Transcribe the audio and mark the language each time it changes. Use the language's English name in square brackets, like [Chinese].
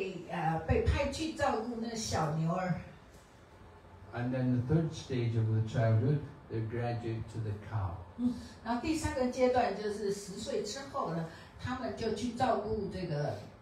[Chinese] 然后第二个阶段的五年呢，这小男孩就差不多是5-6岁了，就被派去照顾那小牛儿。 [English] And then the third stage of the childhood, they graduate to the cow. [Chinese] 然后第三个阶段就是10岁之后呢，他们就去照顾这个。